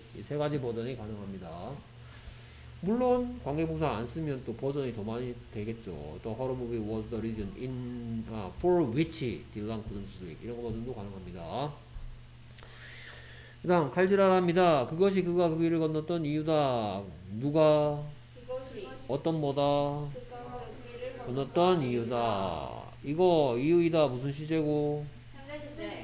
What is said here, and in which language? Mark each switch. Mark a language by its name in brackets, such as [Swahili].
[Korean] 이 세 가지 버전이 가능합니다. 물론 관계부사 안 쓰면 또 버전이 더 많이 되겠죠. [English] The horror movie was the reason in, for which Dylan couldn't sleep. [Korean] 이런 버전도 가능합니다. 그 다음 칼질하랍니다. 그것이 그가 그 길을 건넜던 이유다. 누가? 그것이 어떤 뭐다? 그가 그 길을 건넜던 이유다. 이유다. 이거 이유이다 무슨 시제고? 현재 시제.